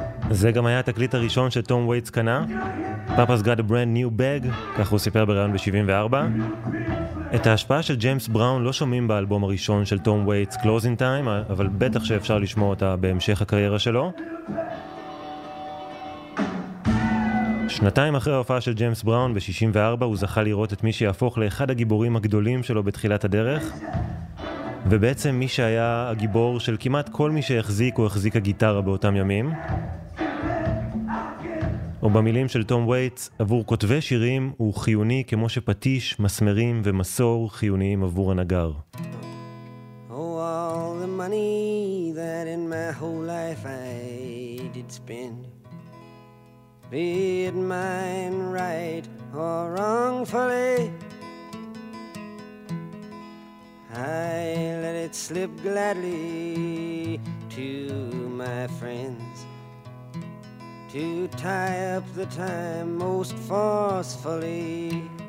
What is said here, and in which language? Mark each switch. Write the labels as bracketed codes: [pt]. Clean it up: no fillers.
[he] זה גם היה התקליט הראשון שטום וייטס קנה. [en] Papa's got a brand new bag, [he] כך הוא סיפר בראיון ב-74. את ההשפעה של ג'יימס בראון לא שומעים באלבום הראשון של טום וייטס, Closing Time, אבל בטח שאפשר לשמוע אותה בהמשך הקריירה שלו. שנתיים אחרי ההופעה של ג'יימס בראון ב-64, הוא זכה לראות את מי שיהפוך לאחד הגיבורים הגדולים שלו בתחילת הדרך. ובעצם מי שהיה הגיבור של כמעט כל מי שהחזיק או החזיקה גיטרה באותם ימים. או במילים של טום וייטס, עבור כותבי שירים הוא חיוני כמו שפטיש, מסמרים ומסור חיוניים עבור הנגר. [en] Oh, all the money that in my whole life I did spend, be it mine right or wrongfully, I let it slip gladly to my friends to tie up the time most forcefully.